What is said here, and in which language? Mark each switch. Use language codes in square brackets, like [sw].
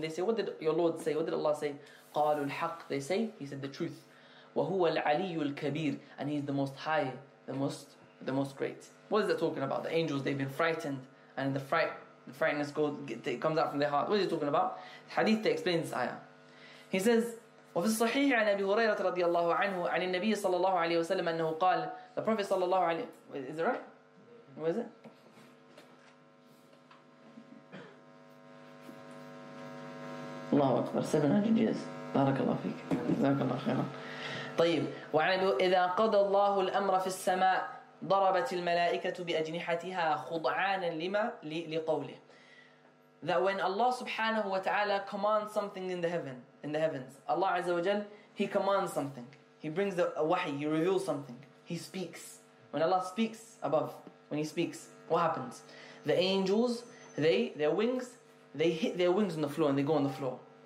[en] They say, what did your Lord say? What did Allah say? [ar] قَالُوا الْحَقِّ. [en] They say, he said the truth. [ar] وَهُوَ الْعَلِيُّ الْكَبِيرُ. [en] And he's the most high, the most great. What is that talking about? The angels, they've been frightened, and the fright, the frightenedness comes out from their heart. What is he talking about? Hadith explains this ayah. [ar] He says, وفي الصحيح عن أبي هريرة رضي الله عنه عن النبي صلى الله عليه وسلم أنه قال, the Prophet صلى الله عليه وسلم, [en] is it right? What is it? [ar] الله أكبر, [en] 700 years. [ar] بارك الله فيك. بارك الله خيرا. طيب, وعن إذا قضى الله الأمر في السماء ضربت الملائكة بأجنحتها خضعانا لما لقوله. [en] That when Allah subhanahu wa ta'ala commands something in the heavens, Allah Azza wa Jal, he commands something, he brings a wahi, he reveals something, he speaks. When Allah speaks above, when he speaks, what happens? The angels, they hit their wings on the floor, and they go on the floor.